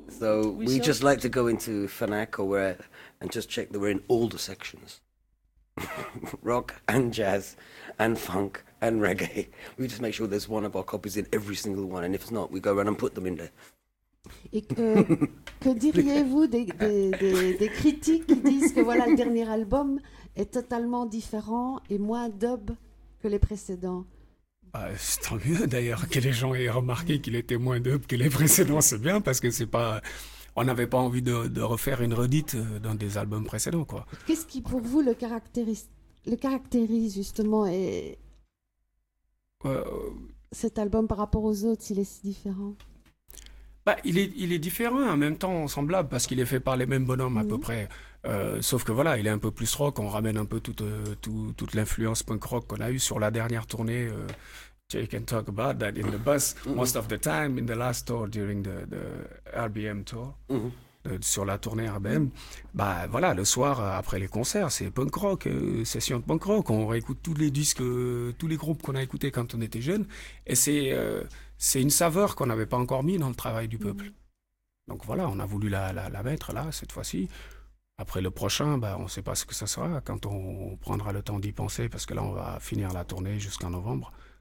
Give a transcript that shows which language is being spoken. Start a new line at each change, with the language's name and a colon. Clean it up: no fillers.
English: So we just like to go into Fnac or where, and just check that we're in all the sections. Rock and jazz and funk and reggae. We just make sure there's one of our copies in every single one, and if it's not, we go around and put them in there.
French: Et que diriez-vous des critiques qui disent que voilà, le dernier album est totalement différent et moins dub que les précédents? C'est tant mieux d'ailleurs que les gens aient remarqué qu'il était moins dub que les précédents, c'est bien parce que c'est pas, on n'avait pas envie de refaire une redite dans des albums précédents, quoi. Qu'est-ce qui pour vous le caractérise justement et cet album par rapport aux autres, s'il est si différent? Bah, il est différent, en même temps semblable, parce qu'il est fait par les mêmes bonhommes à peu près. Sauf que voilà, il est un peu plus rock, on ramène un peu toute l'influence punk rock qu'on a eue sur la dernière tournée.
English: You can talk about that in the bus, most of the time, in the last tour, during the RBM tour,
French: sur la tournée RBM. Bah voilà, le soir, après les concerts, c'est punk rock, session de punk rock. On réécoute tous les disques, tous les groupes qu'on a écoutés quand on était jeunes, et c'est une saveur qu'on n'avait pas encore mis dans le travail du peuple. Donc voilà, on a voulu la mettre là, cette fois-ci. Après le prochain, bah, on ne sait pas ce que ça sera quand on prendra le temps d'y penser, parce que là, on va finir la tournée jusqu'en novembre.